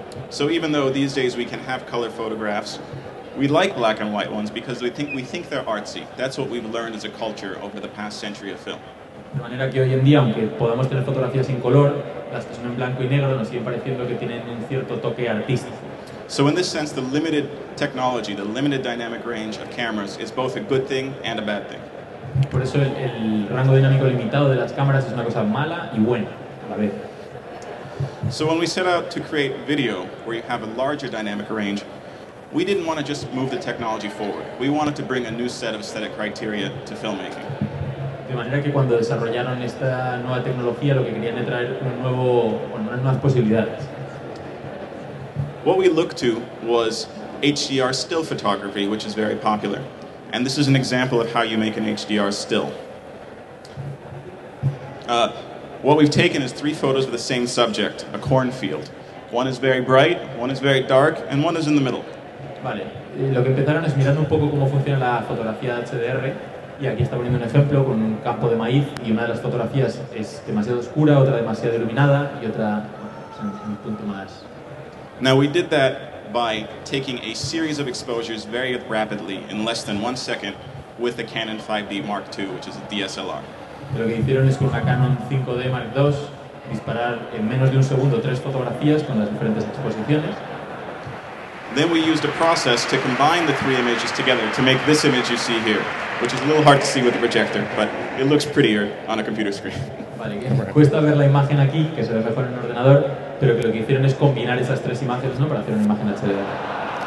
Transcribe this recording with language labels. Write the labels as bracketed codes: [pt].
[en] So even though these days we can have color photographs, we like black and white ones because we think they're artsy. That's what we've learned as a culture over the past century of film. [es] De manera que hoy en día, aunque podamos tener fotografías sin color, las que son en blanco y negro nos siguen pareciendo que tienen un cierto toque artístico. [en] So in this sense, the limited technology, the limited dynamic range of cameras is both a good thing and a bad thing. [es] Por eso el rango dinámico limitado de las cámaras es una cosa mala y buena a la vez. [en] So when we set out to create video where you have a larger dynamic range, we didn't want to just move the technology forward. We wanted to bring a new set of aesthetic criteria to filmmaking. [es] De manera que cuando desarrollaron esta nueva tecnología, lo que querían era traer unas nuevas posibilidades. [en] What we looked to was HDR still photography, which is very popular. And this is an example of how you make an HDR still. What we've taken is three photos of the same subject, a cornfield. One is very bright, one is very dark, and one is in the middle. [es] Vale, lo que empezaron es mirando un poco cómo funciona la fotografía HDR, y aquí está poniendo un ejemplo con un campo de maíz, y una de las fotografías es demasiado oscura, otra demasiado iluminada, y otra un punto más. [en] Now we did that by taking a series of exposures very rapidly, in less than 1 second, with the Canon 5D Mark II, which is a DSLR. [es] Lo que hicieron es con una Canon 5D Mark II disparar en menos de un segundo tres fotografías con las diferentes exposiciones. [en] Then we used a process to combine the three images together to make this image you see here, which is a little hard to see with the projector, but it looks prettier on a computer screen. [es] Vale, cuesta ver la imagen aquí, que se ve mejor en el ordenador, pero que lo que hicieron es combinar esas tres imágenes, ¿no?, para hacer una imagen HDR.